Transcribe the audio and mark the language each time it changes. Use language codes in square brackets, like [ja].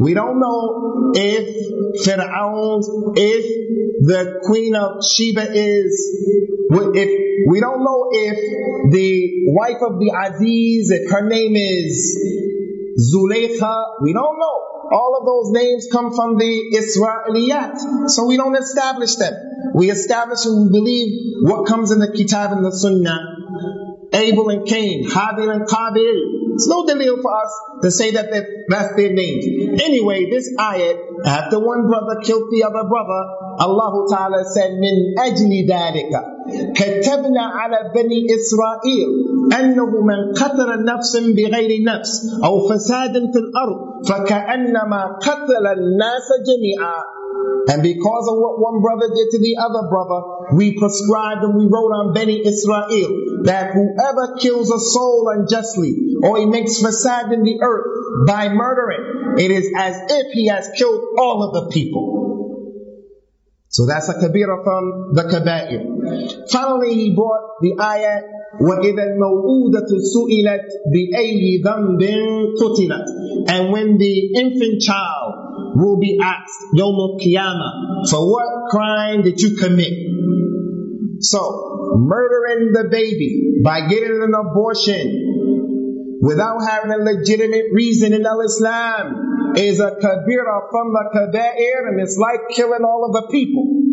[en] We don't know if Fir'aun's, if the queen of Sheba is, if we don't know if the wife of the Aziz, if her name is Zulaykha, we don't know. All of those names come from the Isra'iliyat, so we don't establish them. We establish and we believe what comes in the Kitab and the Sunnah. Abel and Cain, Habil and Qabil. It's no delil for us to say that that's their names. Anyway, this ayat, after one brother killed the other brother, Allah Ta'ala said, [ar] مِنْ أَجْلِ ذَٰلِكَ كَتَبْنَا عَلَى بَنِي إِسْرَائِيلِ أَنَّهُ مَنْ قَتَلَ نَفْسٍ بِغَيْرِ نَفْسٍ أَوْ فَسَادٍ فِي الْأَرْضِ فَكَأَنَّمَا قَتَلَ النَّاسَ جَمِيعًا. [en] And because of what one brother did to the other brother, we prescribed and we wrote on Bani Israel that whoever kills a soul unjustly or he makes fasad in the earth by murdering, it is as if he has killed all of the people. So that's a kabira from the kaba'ir. Finally, he brought the ayah, [ar] وَإِذَا الْمَوْءُودَةُ سُئِلَتْ بِأَيِّ ذَنْبٍ قُتِلَتْ. [en] And when the infant child will be asked, [ar] يَوْمُ الْقِيَامَةِ, [en] for what crime did you commit? So, murdering the baby by getting an abortion without having a legitimate reason in al-Islam is a kabira from the kaba'ir, and it's like killing all of the people.